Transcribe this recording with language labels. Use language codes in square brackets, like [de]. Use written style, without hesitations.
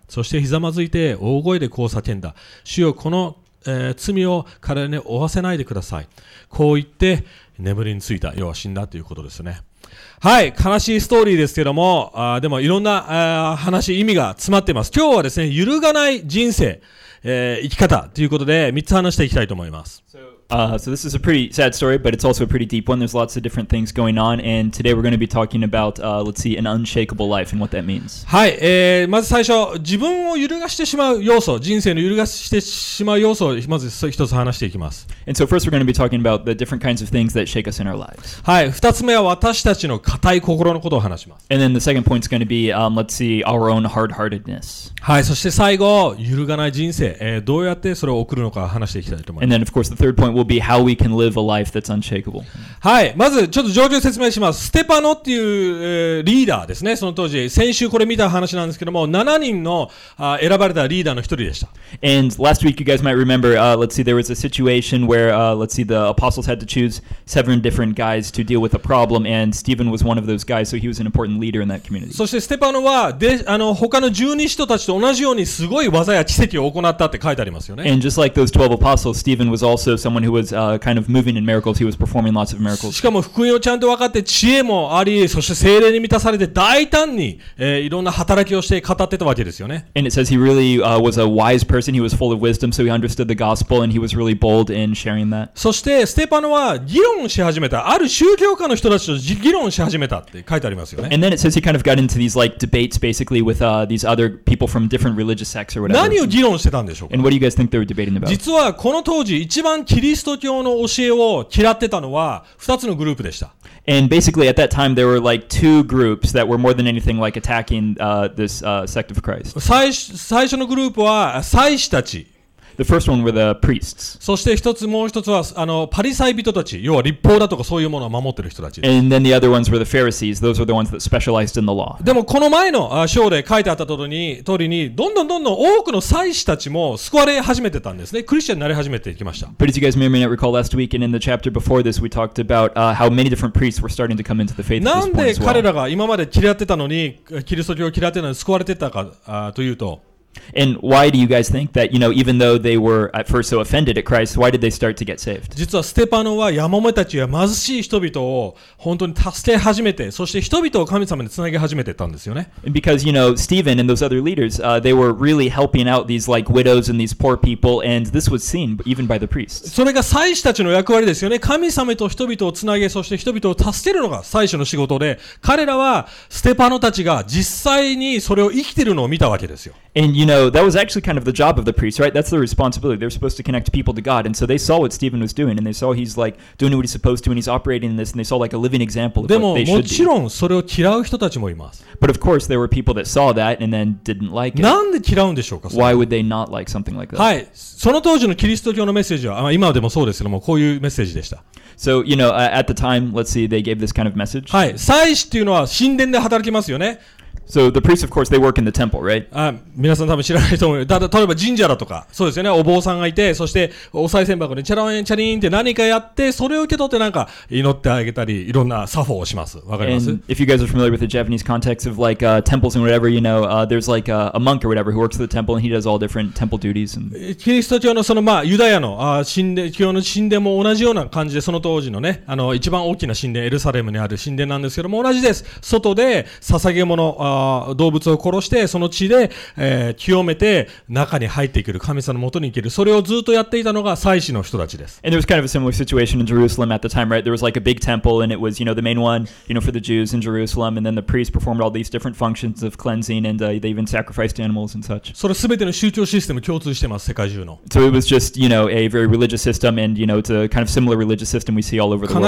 [ja] そしてひざまずいて大声でこう叫んだ。主よ、この、罪を彼に負わせないでください。こう言って眠りについた。要は死んだということですね。はい、悲しいストーリーですけども、でもいろんな話、意味が詰まっています。今日はですね、揺るがない人生、生き方ということで3つ話していきたいと思います。 [en] So this is a pretty sad story, but it's also a pretty deep one. There's lots of different things going on, and today we're going to be talking about, let's see, an unshakable life and what that means. [ja] はい、まず最初、自分を揺るがしてしまう要素、人生の揺るがしてしまう要素をまず一つ話していきます。 [en] And so first we're going to be talking about the different kinds of things that shake us in our lives. [ja] はい、二つ目は私たちの固い心のことを話します。 [en] And then the second point is going to be, let's see, our own hard-heartedness. [ja] はい、そして最後、揺るがない人生、どうやってそれを送るのか話していきたいと思います。 [en] And then of course the third point will be how we can live a life that's unshakable. [ja] はい、まずちょっと状況を説明します。ステパノっていう、リーダーですね。その当時、先週これ見た話なんですけども、7人の選ばれたリーダーの一人でした。 [en] And last week you guys might remember, let's see, there was a situation where, let's see, the apostles had to choose seven different guys to deal with a problem, and Stephen was one of those guys, so he was an important leader in that community. [ja] そしてステパノは他の12人たちと同じようにすごい技や奇跡を行ったって書いてありますよね。 [en] And just like those 12 apostles, Stephen was also someone someone who was kind of moving in miracles. He was performing lots of miracles. [ja] しかも福音をちゃんと分かって知恵もあり、そして聖霊に満たされて大胆に、いろんな働きをして語ってたわけですよね。 [en] And it says he really was a wise person. He was full of wisdom, so he understood the gospel, and he was really bold in sharing that. [ja] そしてステパノは議論し始めた。ある宗教家の人たちと議論し始めたって書いてありますよね。 [en] And then it says he kind of got into these like debates, basically with these other people from different religious sects or whatever. [ja] 何を議論してたんでしょうか。 [en] And what do you guys think they were debating about? [ja] 実はこの当時一番キリスト教の教えを嫌ってたのは二つのグループでした。 [en] And basically at that time there were like two groups that were more than anything like attacking this sect of Christ. [ja] 最初のグループは祭司たち。 [en] The first one were the priests. [ja] そして一つもう一つはパリサイ人たち、要は立法だとかそういうものを守ってる人たち。 [en] And then the other ones were the Pharisees. Those were the ones that specialized in the law. [ja] でもこの前の章で書いてあった通りに、どんどん多くの祭司たちも救われ始めてたんですね。クリスチャンになり始めていきました。 [en] But as you guys may not recall last week and in the chapter before this, we talked about how many different priests were starting to come into the faith at this point as well. [ja] なんで彼らが今まで嫌ってたのに、キリスト教を嫌ってたのに救われてたかというと、 [en] And why do you guys think that, you know, even though they were at first so offended at Christ, why did they start to get saved? [ja] 実はステパノはヤモメたちや貧しい人々を本当に助け始めて、そして人々を神様につなげ始めてたんですよね。 [en] And because, you know, Stephen and those other leaders, they were really helping out these like widows and these poor people, and this was seen even by the priests. [ja] それが祭司たちの役割ですよね。神様と人々をつなげ、そして人々を助けるのが祭司の仕事で、彼らはステパノたちが実際にそれを生きているのを見たわけですよ。 [en] And you know, that was actually kind of the job of the priest, right? That's the responsibility. They're supposed to connect people to God. And so they saw what Stephen was doing, and they saw he's like doing what he's supposed to, and he's operating in this, and they saw like a living example of what they should [ja] do. でももちろんそれを嫌う人たちもいます。 [en] But of course, there were people that saw that and then didn't like it. [ja] なんで嫌うんでしょうか？ [en] Why would they not like something like that? [ja] はい。その当時のキリスト教のメッセージは、今でもそうですけども、こういうメッセージでした。 [en] So, you know, at the time, let's see, they gave this kind of message. [ja] はい。祭司というのは神殿で働きますよね。 [en] So the priests, of course, they work in the temple, right? [ja] 皆さん多分知らないと思う。例えば神社だとか、そうですよね。お坊さんがいて、そしてお賽銭箱にチャランチャリンって何かやって、それを受け取ってなんか祈ってあげたり、いろんな作法をします。わかります？ [en] And if you guys are familiar with the Japanese context of like temples and whatever, you know, there's like a monk or whatever who works at the temple and he does all different temple duties. And... [ja] キリスト教のそのまあユダヤの神殿、教の神殿も同じような感じで、その当時のね、一番大きな神殿、エルサレムにある神殿なんですけども、同じです。外で捧げ物、動物を殺してその血で、清めて中に入っていける神様の元に行けるそれをずっとやっていたのが祭司の人たちです。 [en] And there was kind of a similar situation in Jerusalem at the time, right? There was like a big temple and it was, you know, the main one, you know, for the Jews in Jerusalem. And then the priests performed all these different functions of cleansing and they even sacrificed animals and such. [ja] それ全ての宗教システム共通してます世界中の。 [en] So it was just, you know, a very religious system and you know it's a kind of similar religious system we see all over the world.